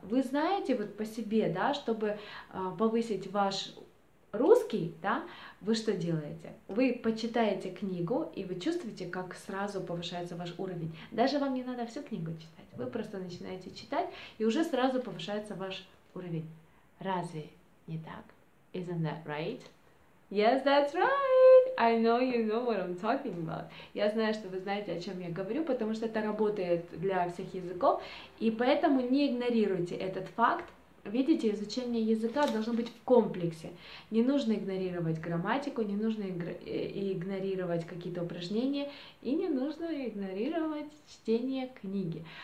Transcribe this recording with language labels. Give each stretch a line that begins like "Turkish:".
Russian: Вы знаете вот по себе, да, чтобы повысить ваш русский, да, вы что делаете? Вы почитаете книгу, и вы чувствуете, как сразу повышается ваш уровень. Даже вам не надо всю книгу читать. Вы просто начинаете читать, и уже сразу повышается ваш уровень. Разве не так?
English: Isn't that right? Yes, that's right. I know you know what I'm talking about.
Russian: Я знаю, что вы знаете, о чем я говорю, потому что это работает для всех языков. И поэтому не игнорируйте этот факт. Видите, изучение языка должно быть в комплексе. Не нужно игнорировать грамматику, не нужно игнорировать какие-то упражнения и не нужно игнорировать чтение книги.